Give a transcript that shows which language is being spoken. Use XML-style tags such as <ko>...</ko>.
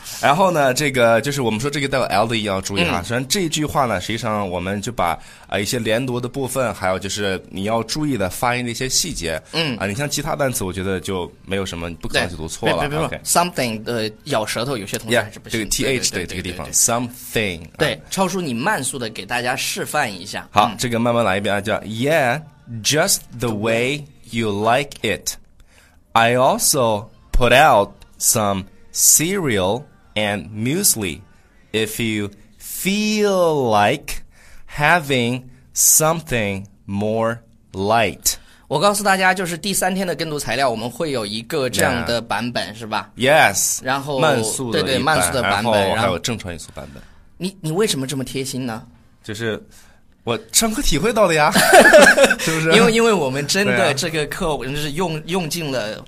<zh>然后呢，这个就是我们说这个带有 l 的音要注意啊。虽然这句话呢，实际上我们就把一些连读的部分，还有就是你要注意的发音的一些细节，你像其他单词，我觉得就没有什么不可能就读错了。别 ，something 的咬舌头有些同学还是不行。这个 th 对这个地方 ，something。对，超叔，你慢速的给大家示范一下。好，这个慢慢来一遍啊，叫</zh> <en>Yeah， just the way you like it。 I also put out some cereal。 And muesli, if you feel like having something more light.</en> <zh>我告诉大家，就是第三天的跟读材料，我们会有一个这样的版本，</zh> <en>yeah.</en> <zh>是吧</zh> <en>？Yes.</en> <zh>然后慢速的对对慢速的版本，然后还有正常语速版本。你为什么这么贴心呢？就是。我上课体会到的呀，是不是？因为我们真的这个课，我们是用尽了</zh>